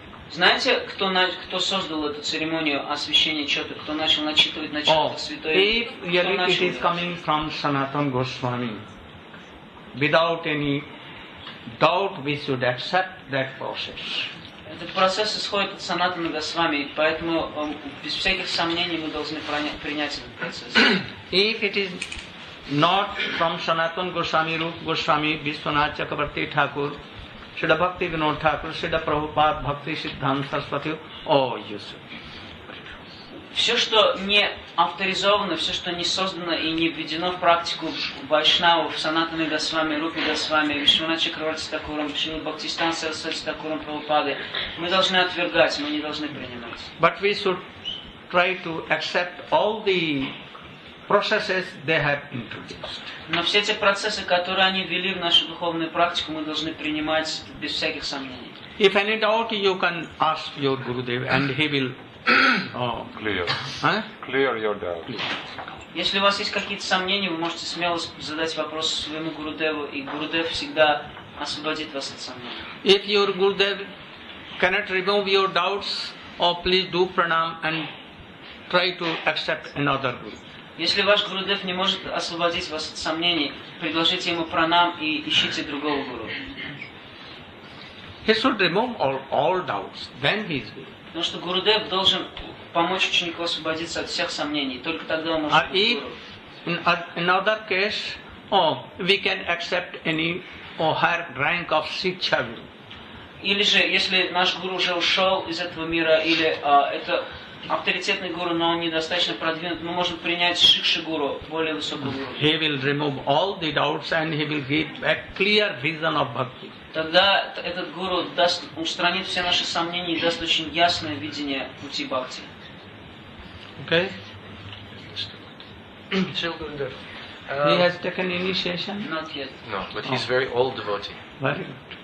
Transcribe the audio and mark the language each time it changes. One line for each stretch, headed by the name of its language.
Russian: Знаете, кто создал эту церемонию освящения чёта, кто начал начитывать на чёта святой?
English: If really it is
Russian: делать?
English: Coming from Sanatana Goswami, without any doubt we should accept that process.
Russian: Этот процесс исходит от Санатана Госвами, поэтому без всяких сомнений мы должны принять этот процесс.
English: If it is not from Sanatana Goswami, Rupa Goswami, Vishwanath Chakravarti Thakur, Shrila Bhakti Vinod Thakur, Shrila Prabhupada, Bhakti Siddhanta Saraswati,
Russian: О, Иисус. Все, что не авторизовано, все, что не создано и не введено в практику Вайшнавов, Санатана Госвами, Рупи Госвами, Вишванат Чакраварти Такуром, Шрила Бхакти Сиддханта Сарасвати Такуром Прабхупады, мы должны отвергать, мы не должны принимать.
English: But we should try to accept all the processes they have introduced.
Russian: Но все эти процессы, которые они ввели в нашу духовную практику, мы должны принимать без всяких сомнений.
English: If any doubt, you can ask your Gurudev and he will Clear. Clear your doubt.
Russian: Если у вас есть какие-то сомнения, вы можете смело задать вопрос своему Гурудеву, и Гурудев всегда освободит вас от сомнений.
English: If your Gurudev cannot remove your doubts, or please do pranam and try to accept another Guru.
Russian: Если ваш Гурудев не может освободить вас от сомнений, предложите ему пранам и ищите другого Гуру.
English: He should remove all doubts, then he is Guru.
Russian: Потому что Гурудев должен помочь ученику освободиться от всех сомнений, только тогда он может быть Гуру.
English: In other case, we can accept any or higher rank of Shiksha Guru.
Russian: Или же, если наш Гуру уже ушел из этого мира, или это авторитетный Гуру, но он недостаточно продвинут, мы можем принять Шикши Гуру, более высокого Гуру.
English: He will remove all the doubts and he will give a clear vision of bhakti.
Russian: Тогда этот Гуру даст, устранит все наши сомнения и даст очень ясное видение пути бхакти.
English: Okay? He has taken initiation? Not yet. No, but he's very old devotee. Very good.